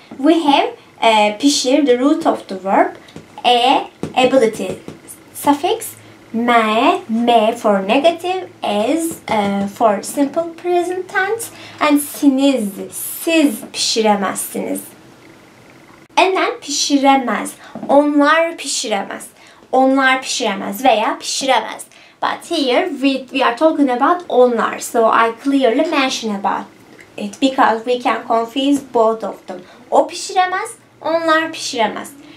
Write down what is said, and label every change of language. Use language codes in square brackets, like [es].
[en] We have pişir, the root of the verb, ability suffix, me for negative, as for simple present tense, and siniz, [tr] siz pişiremezsiniz. [en] And then [tr] pişiremez. Onlar pişiremez. Onlar pişiremez veya pişiremez. [en] But here we are talking about onlar. So I clearly mention about it because we can confuse both of them. [tr] O pişiremez, onlar pişiremez.